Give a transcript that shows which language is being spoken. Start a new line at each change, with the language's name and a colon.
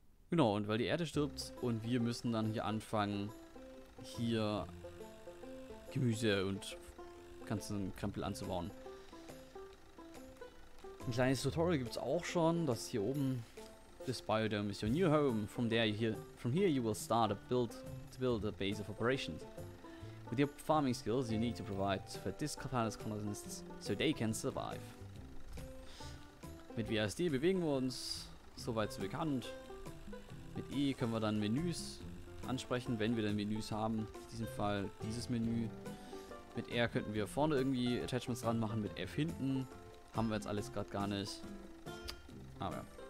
German: Genau, und weil die Erde stirbt und wir müssen dann hier anfangen, hier Gemüse und ganzen Krempel anzubauen. Ein kleines Tutorial gibt es auch schon, das hier oben.
English: This biodome is your new home. From here you will start to build a base of operations. With your farming skills you need to provide for this planet's colonists so they can survive.
German: Mit WASD bewegen wir uns, soweit so bekannt. Mit E können wir dann Menüs ansprechen, wenn wir dann Menüs haben. In diesem Fall dieses Menü. Mit R könnten wir vorne irgendwie Attachments dran machen, mit F hinten. Haben wir jetzt alles gerade gar nicht. Aber ja.